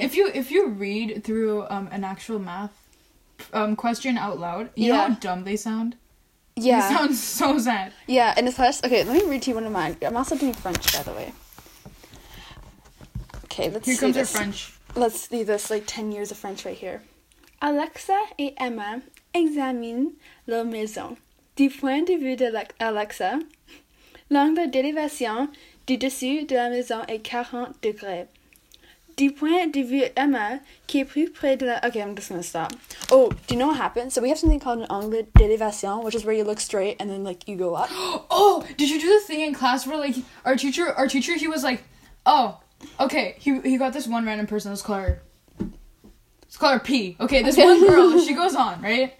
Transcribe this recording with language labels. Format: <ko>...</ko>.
<en>Listen, if you read through an actual math question out loud, you know how dumb they sound? Yeah. They sound so sad. Yeah, and it's less... Okay, let me read to you one of mine. I'm also doing French, by the way. Okay, let's see. Here comes your French. Let's see this, like, 10 years of French right here.</en> <fr>Alexa et Emma examinent la maison. Du point de vue d'Alexa, l'angle d'élévation du dessus de la maison est 40 degrés. Du point de vue Emma qui est plus près de la...</fr> <en>Okay, I'm just going to stop. Oh, do you know what happened? So we have something called an angle d'élévation, which is where you look straight and then, like, you go up. Oh, did you do this thing in class where, like, our teacher, he was like, oh, okay, he got this one random person, let's call her P. Okay, one girl, she goes on, right?</en>